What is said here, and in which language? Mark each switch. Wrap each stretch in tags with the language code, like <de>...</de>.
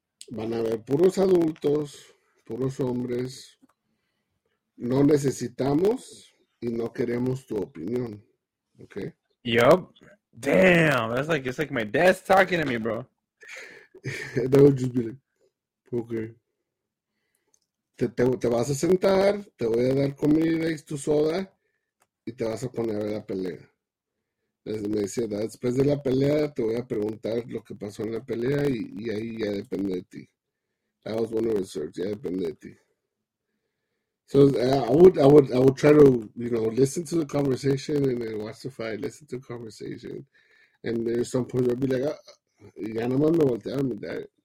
<es>Van a ver puros adultos, puros hombres. No necesitamos y no queremos tu opinión. Okay?</es> <en>Yup. Damn. That's like, it's like my dad's talking to me, bro. That would just be like, okay.</en> <es>Te vas a sentar, te voy a dar comida y tu soda, y te vas a poner a la pelea. Entonces me decía, después de la pelea, te voy a preguntar lo que pasó en la pelea, y ahí ya depende de ti.</es> <en>That was one of the search,</en> <es>ya depende de ti.</es> <en>So I would try to, you know, listen to the conversation, and then watch the fight, listen to the conversation. And there's some point where I'd be like, ah,</en> <es>ya no me voltearon, mi</es> <en>dad.</en>